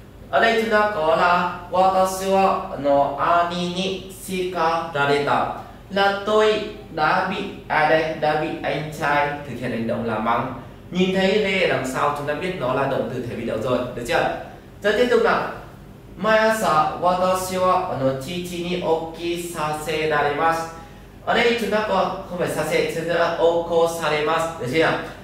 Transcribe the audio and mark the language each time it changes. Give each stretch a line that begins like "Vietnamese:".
Vietnamese: Ở đây chúng ta có là
Japanese: 私は兄に叱られた,
Vietnamese: là tôi đã bị anh trai thực hiện hành động là mắng. Nhìn thấy lê đằng sau chúng ta biết nó là động từ thể bị động rồi, được chưa? Rồi tiếp tục nào.
Japanese: 毎朝私は父に起きさせられます。
Vietnamese: ở đây chúng ta có không phải させ, chúng ta là 起こされます, được chưa?